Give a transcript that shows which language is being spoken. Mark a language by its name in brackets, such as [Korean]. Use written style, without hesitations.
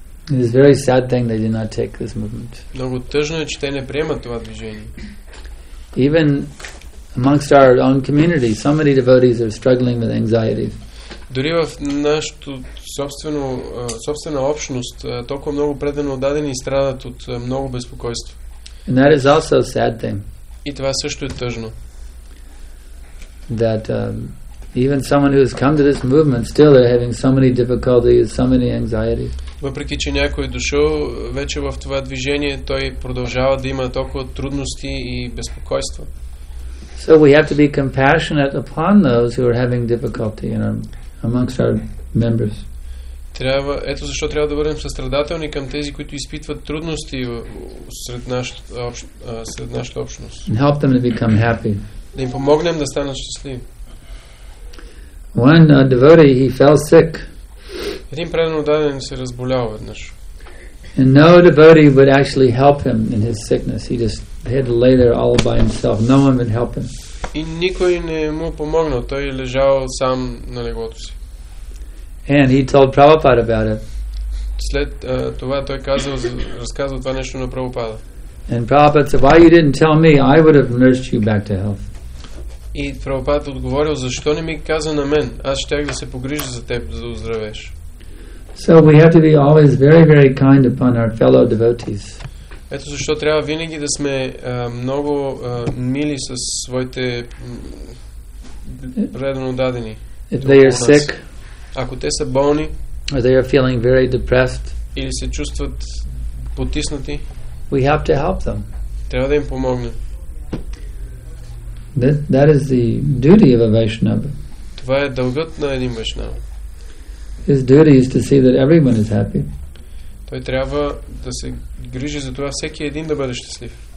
[English] It is very sad thing they do not take this movement. [Bulgarian] Много тъжно е, че те не приемат това движение. [English] Even amongst our own community, so many devotees are struggling with anxieties. [Bulgarian] Дори в нашото собствена общност толкова много предано отдадени и страдат от много безпокойство. [English] And that is also a sad thing. [Bulgarian] И това също е тъжно. [English] That even someone who has come to this movement still are having so many difficulties, so many anxieties. [Bulgarian] Въпреки че някой дошъл вече в това движение, той продължава да има толкова трудности и безпокойства. [English] So we have to be compassionate upon those who are having difficulty in our, amongst our members. [Bulgarian] Трябва, ето защо трябва да бъдем състрадателни към тези, които изпитват трудности сред нашата общност. [English] And help them to become happy. [Bulgarian] Да им помогнем да станат щастливи. [English] One devotee, he fell sick. [Bulgarian] Един предан отдаден се разболял веднъж. [English] And no devotee would actually help him in his sickness. He just had to lay there all by himself. No one would help him. [Bulgarian] И никой не му помогнал. Той лежал сам на леглото си. [English] And he told Prabhupada about it. [Bulgarian] След това той казал, разказал това нещо на Прабхупада. [English] And Prabhupada said, "Why you didn't tell me? I would have nursed you back to health." [Bulgarian] И Прабхупада отговорил, защо не ми каза на мен? Аз щях да се погрижа за теб, за да оздравеш. [English] So we have to be always very, very kind upon our fellow devotees. [Bulgarian] Ето защо трябва винаги да сме много мили със своите предано дадени. [English] If they are sick, [Bulgarian] ако те са болни, [English] or they are feeling very depressed, [Bulgarian] или се чувстват потиснати, [English] we have to help them. [Bulgarian] Трябва да им помогнем. [English] That is the duty of a Vaishnava. [Bulgarian] Това е дългът на един Вайшнава. [English] His duty is to see that everyone is happy. [Bulgarian] Той трябва да се грижи за това всеки един да бъде щастлив.